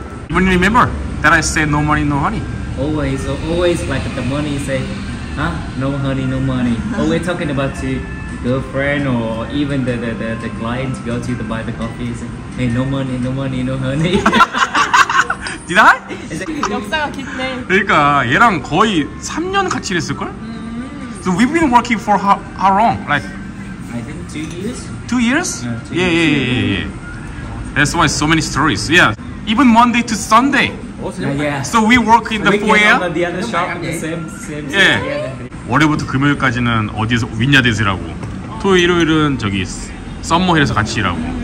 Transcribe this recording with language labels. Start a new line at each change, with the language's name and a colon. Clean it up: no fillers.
English: When you remember that I say no money no honey. Always, always like the money say, huh? No honey, no money. Always talking about to girlfriend or even the client go to the buy the coffee say, hey no money, no money, no honey. 니다?
Korean: 역사가 깊네. 그러니까 얘랑 거의 3년 같이 일했을걸?
English: So we've been working for how long? Like I think 2 years. 2 years? Yeah, 2 years. Yeah, yeah, yeah, yeah. That's why so many stories. Yeah, even Monday to Sunday. Yeah. So we work in the foyer. The other shop, the same. Yeah.
Korean: 월요일부터 금요일까지는 어디서 윈야데스라고. 토요일은 저기 썸머힐에서 같이 일하고.